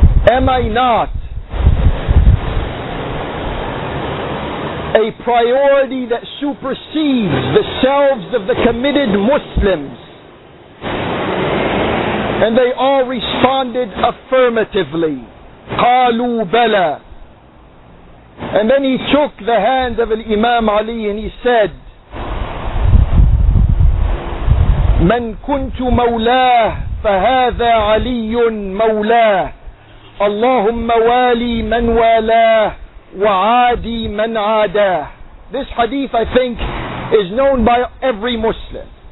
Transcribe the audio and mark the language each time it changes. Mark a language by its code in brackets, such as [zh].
[en] Am I not a priority that supersedes the selves of the committed Muslims? And they all responded affirmatively. [ar] قَالُوا بَلَى. [en] And then he took the hand of Imam Ali and he said, [ar] مَنْ كُنْتُ مَوْلَاهُ فَهَذَا عَلِيٌّ مَوْلَاهُ اللَّهُمَّ وَالِي مَنْ وَالَاهُ وَعَادِي مَنْ عَادَاهُ. [en] This hadith, I think, is known by every Muslim.